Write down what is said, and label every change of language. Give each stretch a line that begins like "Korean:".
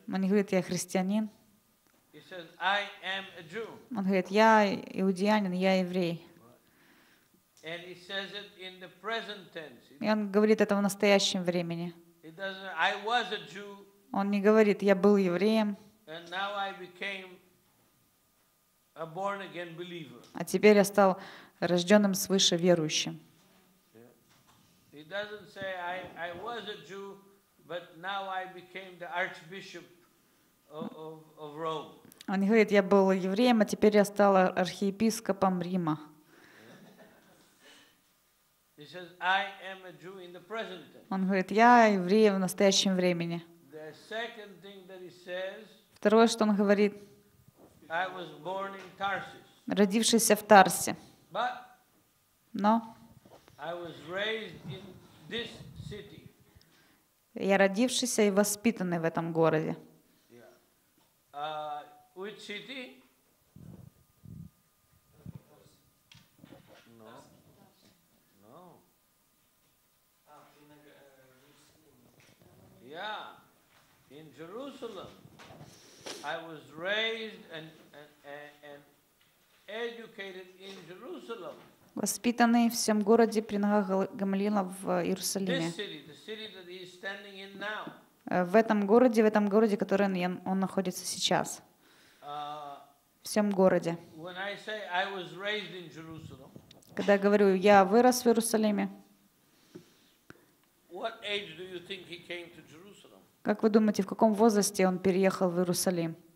Russian: Он не говорит, я христианин.
English: He says I am a Jew.
Russian: Он говорит, я иудеянин, я еврей.
English: And he says it in the present tense.
Russian: И он говорит это в настоящем времени.
English: He doesn't. I was a Jew.
Russian: Он не говорит, я был евреем.
English: And now I became a born again believer.
Russian: А теперь я стал рожденным свыше верующим.
English: He doesn't say I was a Jew, but now I became the Archbishop of Rome.
Russian: Он не говорит, я был евреем, а теперь я стал архиепископом Рима.
English: He says I am a Jew in the present tense.
Russian: Он говорит, я еврей в настоящем времени.
English: The second thing that he says.
Russian: Второе, что он говорит,
English: I was born in Tarsus.
Russian: Родившийся в Тарсе,
English: but
Russian: но
English: I was raised in this city.
Russian: Я родившийся и воспитанный в этом городе.
English: Yeah. Which city? No. Yeah, in Jerusalem. I was raised and educated in Jerusalem.
Russian: Воспитанный в всем городе при ногах Гамалила в Иерусалиме.
English: This city, the city that he's standing in now.
Russian: В этом городе, который он находится сейчас. В всем городе.
English: When I say I was raised in Jerusalem.
Russian: Когда я говорю, я вырос в Иерусалиме.
English: What age do you think he came to Jerusalem?
Russian: Как вы думаете, в каком возрасте он переехал в Иерусалим?